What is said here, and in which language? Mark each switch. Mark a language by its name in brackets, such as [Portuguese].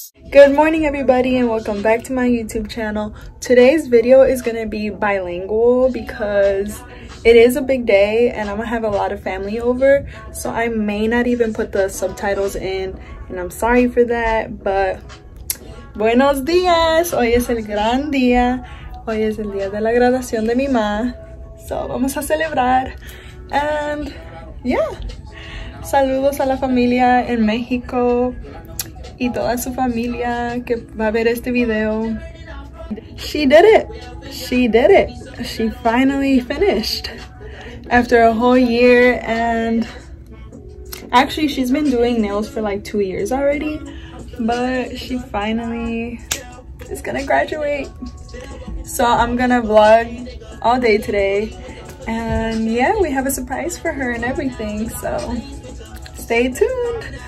[English] Good morning, everybody, and welcome back to my YouTube channel. Today's video is gonna be bilingual because it is a big day and I'm gonna have a lot of family over, so I may not even put the subtitles in, and I'm sorry for that. [Spanish] But buenos dias, hoy es el gran día, hoy es el día de la graduación de mi ma, so vamos a celebrar. And yeah, saludos a la familia en México y toda su familia que va a ver este video. [English] She did it. She did it. She finally finished after a whole year. And actually, she's been doing nails for like 2 years already, but she finally is gonna graduate. So I'm gonna vlog all day today. And yeah, we have a surprise for her and everything, so stay tuned.